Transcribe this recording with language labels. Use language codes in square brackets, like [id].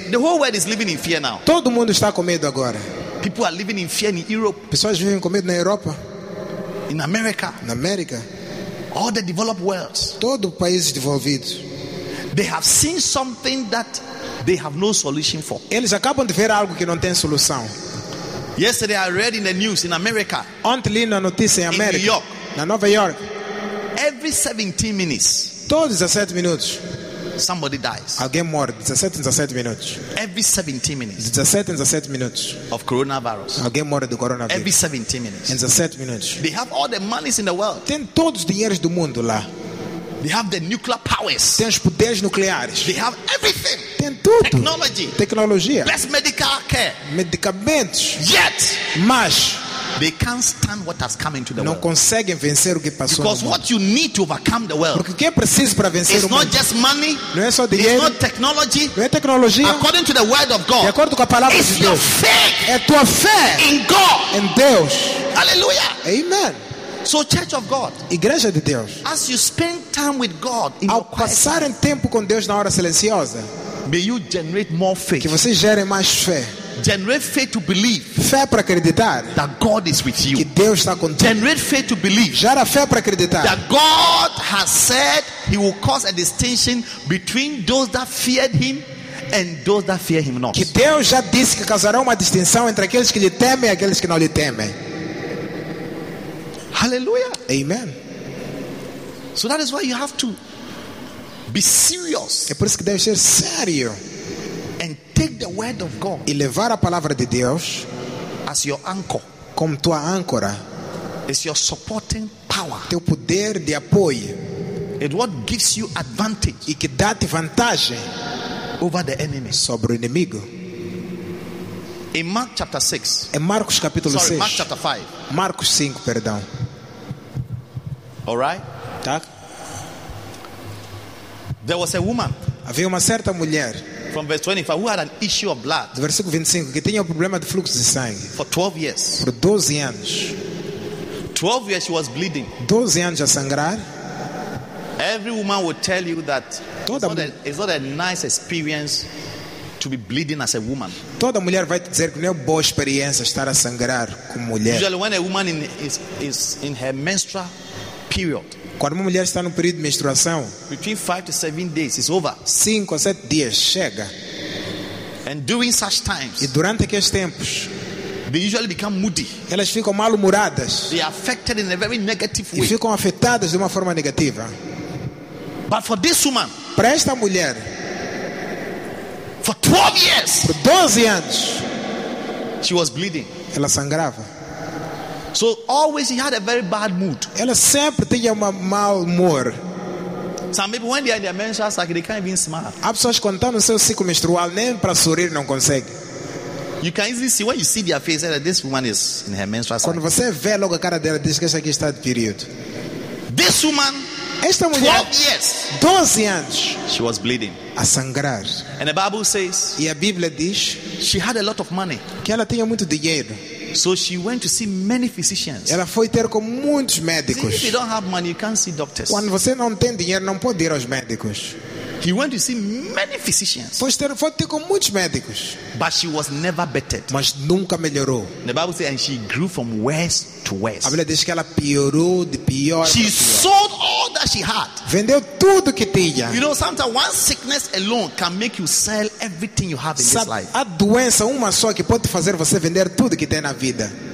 [en] The whole world is living in fear now. [pt] Todo mundo está com medo agora. [en] People are living in fear in Europe. [pt] Pessoas vivem com medo na Europa. [en] In America. [pt] Na América. [en] All the developed worlds. [pt] Todo o país desenvolvido. [en] They have seen something that they have no solution for. [pt] Eles acabam de ver algo que não tem solução. [en] Yesterday I read in the news in America. [pt] Ontem li na notícia em América. [en] In New York. [pt] Na Nova York. [en] Every 17 minutes. [pt] Todos 17 minutos. [en] Somebody dies. [pt] Alguém morre [en] 17 minutes. Every 17 minutes. 17 minutes. Of coronavirus. [pt] Alguém morre do coronavírus. [en] Every 17 minutes. 17 minutes. They have all the monies in the world. [pt] Tem todos os dinheiros do mundo lá. [en] They have the nuclear powers. [pt] Tem os poderes nucleares. [en] They have everything. [pt] Tem tudo. [en] Technology. [pt] Tecnologia. [en] Best medical care. [pt] Medicamentos. [en] Yet. [pt] Mas. [en] They can't stand what has come into the [pt] não [en] world. [pt] Não conseguem vencer o que passou. [en] Because what you need to overcome the world. [pt] Porque o que é preciso para vencer o mundo? [en] It's not just money. [pt] Não é só dinheiro. [en] It's not technology. [pt] Não é tecnologia. [en] According to the word of God. [pt] De acordo com a palavra de Deus. [en] It's your faith. [pt] É tua fé. [en] In God. [pt] Em Deus. [en] Hallelujah. [pt] Amen. [en] So Church of God. [pt] Igreja de Deus. [en] As you spend time with God in [pt] ao passar em tempo com Deus na hora silenciosa. [en] May you generate more faith. [pt] Que você gere mais fé. [en] Generate faith to believe. [pt] Fé para acreditar. [en] That God is with you. [pt] Que Deus está contigo. [en] Generate faith to believe. [pt] Gera fé para acreditar. [en] That God has said He will cause a distinction between those that feared Him and those that fear Him not. [pt] Que Deus já disse que causará uma distinção entre aqueles que lhe temem e aqueles que não lhe temem. [en] Hallelujah. [pt] Amen. [en] So that is why you have to be serious. [pt] É por isso que deve ser sério. [en] And take the word of God. [pt] E levar a palavra de Deus [en] as your anchor. [pt] Como tua âncora. [en] It's your supporting power. [pt] Teu poder de apoio. [en] It what gives you advantage. [pt] E que dá-te vantagem [en] over the enemy. [pt] Sobre o inimigo. [en] In Mark chapter 6. [pt] Em Marcos capítulo 6. [en] Mark chapter 5. [pt] Marcos 5, perdão. [en] All right? [pt] Tá. [en] There was a woman. [pt] Havia uma certa mulher. [en] from verse 25, who had an issue of blood. [pt] Do versículo 25, que tinha um problema de fluxo de sangue. [en] For 12 years. [pt] Por 12 anos. [en] 12 years she was bleeding. [pt] 12 anos a sangrar. [en] Every woman will tell you that it's not a nice experience to be bleeding as a woman. [pt] Toda mulher vai dizer que não é uma boa experiência estar a sangrar como mulher. [en] Usually when a woman is in her menstrual period. [pt] Quando uma mulher está no período de menstruação, [en] between 5 to 7 days, it's over. 5 or 7 days, [pt] chega. [en] And during such times, [pt] e durante aqueles tempos, [en] they usually become moody. [pt] Elas ficam mal-humoradas. [en] They are affected in a very negative [pt] way. E ficam afetadas de uma forma negativa. [en] But for this woman, [pt] para esta mulher, [en] for 12 years, [pt] por 12 anos, [en] she was bleeding. [pt] Ela sangrava. [en] So always he had a very bad mood. [pt] Ela sempre tinha um mau humor. [en] Some people when they are in their menstrual cycle, they can't even smile. [pt] Há pessoas que quando estão no seu ciclo menstrual nem para sorrir não conseguem. [en] You can easily see when you see their face that this woman is in her menstrual cycle. [pt] Quando você vê logo a cara dela, diz que essa aqui está de período. [en] This woman, [pt] esta mulher, [en] 12 years, [pt] 12 anos, [en] she was bleeding, [pt] a sangrar. [en] And the Bible says, [pt] e a Bíblia diz, [en] she had a lot of money, [pt] que ela tinha muito dinheiro. [en] So she went to see many physicians. [pt] Ela foi ter com muitos médicos. [en] If you don't have money, you can't see doctors. [pt] Quando você não tem dinheiro, não pode ir aos médicos. [en] He went to see many physicians. [pt] Foi ter com muitos médicos. [en] But she was never bettered. [pt] Mas nunca melhorou. [en] The Bible says, and she grew from worse to worse. [pt] A Bíblia diz que ela piorou de pior. [en] She sold all that she had. [pt] Vendeu tudo que tinha. [en] You know, sometimes one sickness alone can make you sell everything you have in this life. [pt] A doença uma só que pode fazer você vender tudo que tem na vida.